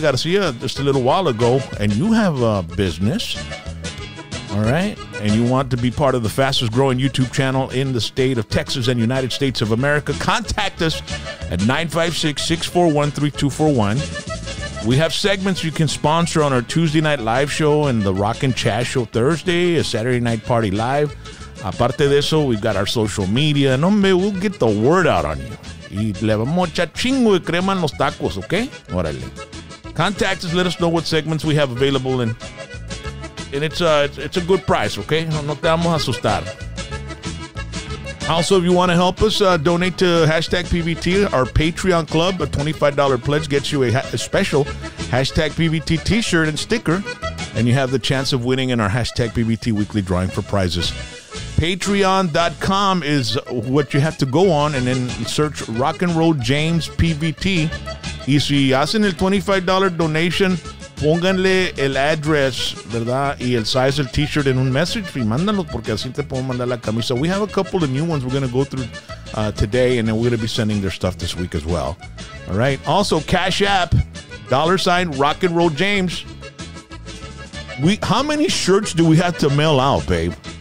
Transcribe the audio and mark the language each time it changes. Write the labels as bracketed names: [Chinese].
[English] Garcia just a little while ago, and you have a business, all right, and you want to be part of the fastest growing YouTube channel in the state of Texas and United States of America, contact us at 956-641-3241. We have segments you can sponsor on our Tuesday night live show and the Rockin' Chaz show Thursday, a Saturday night party live. [Spanish] Aparte de eso, [English] we've got our social media. And hombre, we'll get the word out on you. [Spanish] Y le vamos a echar chingo de crema en los tacos, ¿ok? [English] Órale. Contact us, let us know what segments we have available, and it's a good price, ¿ok? [Spanish] No te vamos a asustar. [English] Also, if you want to help us, donate to hashtag PBT, our Patreon club. A $25 pledge gets you a special hashtag PBT t-shirt and sticker, and you have the chance of winning in our hashtag PBT weekly drawing for prizes. Patreon.com is what you have to go on, and then search Rock and Roll James PBT. [Spanish] Y si hacen el $25 donation, pónganle el address, ¿verdad? Y el size del t-shirt en un message. Y mándalo, porque así te puedo mandar la camisa. [English] We have a couple of new ones we're going to go through today, and then we're going to be sending their stuff this week as well. All right. Also, Cash App, $ Rock and Roll James. How many shirts do we have to mail out, babe?